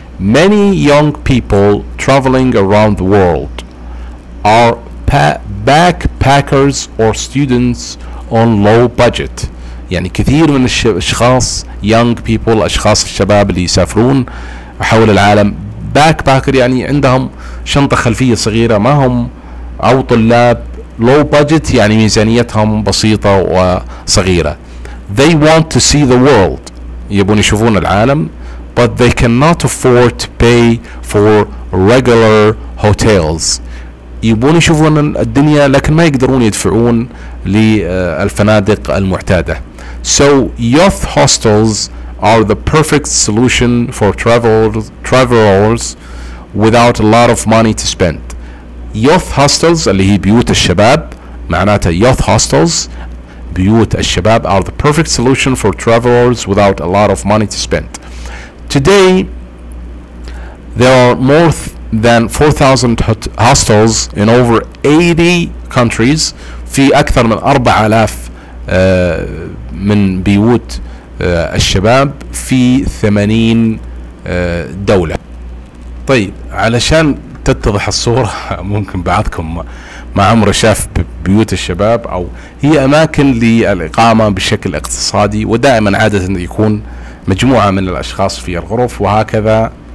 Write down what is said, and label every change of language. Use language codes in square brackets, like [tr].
[en] Many young people traveling around the world are backpackers or students on low budget. [ar] يعني كثير من الأشخاص [en] young people، [ar] أشخاص الشباب اللي يسافرون حول العالم. backpacker يعني عندهم شنطة خلفية صغيرة، ما هم أو طلاب. [en] low budget [ar] يعني ميزانيتهم بسيطة وصغيرة. [en] they want to see the world، [ar] يبون يشوفون العالم. [en] But they cannot afford to pay for regular hotels. [ar] يبون يشوفون الدنيا لكن ما يقدرون يدفعون للفنادق المعتادة. [en] So youth hostels are the perfect solution for travelers without a lot of money to spend. Youth hostels [ar] اللي هي بيوت الشباب، معناتها [en] youth hostels [ar] بيوت الشباب، [en] are the perfect solution for travelers without a lot of money to spend. Today there are more than 4,000 hostels in over 80 countries. [ar] في أكثر من 4,000 من بيوت الشباب في 80 دولة. طيب علشان تتضح الصورة، ممكن بعضكم ما عمره شاف بيوت الشباب، أو هي أماكن للإقامة بشكل اقتصادي، ودائما عادة يكون مجموعة من الأشخاص في الغرف، وهكذا